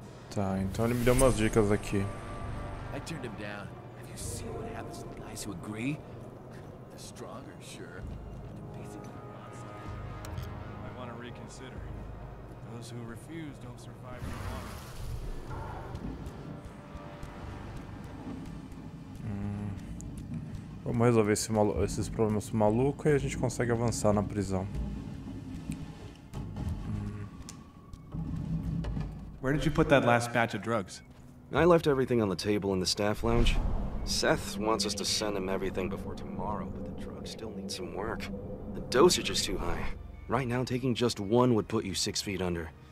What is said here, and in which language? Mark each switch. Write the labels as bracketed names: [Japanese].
[Portuguese] Tá, então ele me deu umas dicas aqui. [English] I turned him down. Have you seen what happens to the guys who agree? The stronger, sure. The basically monster. I want to reconsider. Those who refuse don't survive any longer. [Portuguese] Vamos resolver esses problemas malucos e a gente consegue avançar na prisão. [English] Where did you put that last batch of drugs? I left everything on the table in the staff lounge. Seth wants us to send him everything before tomorrow, but the drugs still need some work. The dosage is too high. Right now, taking just one would put you 6 feet under.